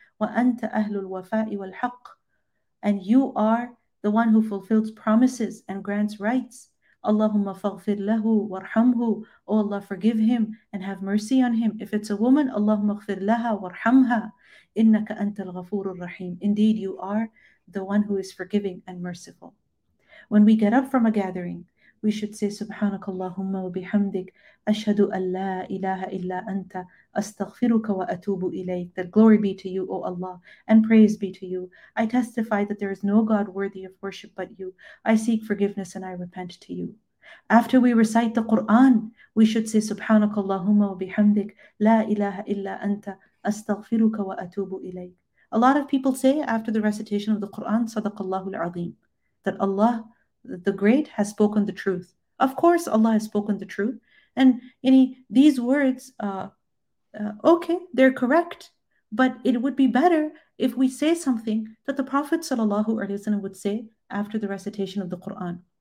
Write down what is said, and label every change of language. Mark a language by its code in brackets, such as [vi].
[ar] وَأَنْتَ أَهْلُ الْوَفَاءِ وَالْحَقِّ, [en] and you are the one who fulfills promises and grants rights. [ar] اللهم فاغفر له وارحمه. [en] Oh Allah, forgive him and have mercy on him. If it's a woman, [ar] اللهم اغفر لها وارحمها. إنك أنت الغفور الرحيم. [en] Indeed, you are the one who is forgiving and merciful. When we get up from a gathering, we should say, [ar] سبحانك اللهم وبحمدك, أشهد أن لا إله إلا أنت, أستغفرك وأتوب إليك. [en] That glory be to you, O Allah, and praise be to you. I testify that there is no God worthy of worship but you. I seek forgiveness and I repent to you. After we recite the Quran, we should say, [ar] سبحانك اللهم وبحمدك, لا إله إلا أنت, أستغفرك وأتوب إليك. [en] A lot of people say after the recitation of the Quran, [ar] صدق الله العظيم, [en] that Allah the Great has spoken the truth. Of course, Allah has spoken the truth. And these words, okay, they're correct. But it would be better if we say something that the Prophet ﷺ would say after the recitation of the Quran.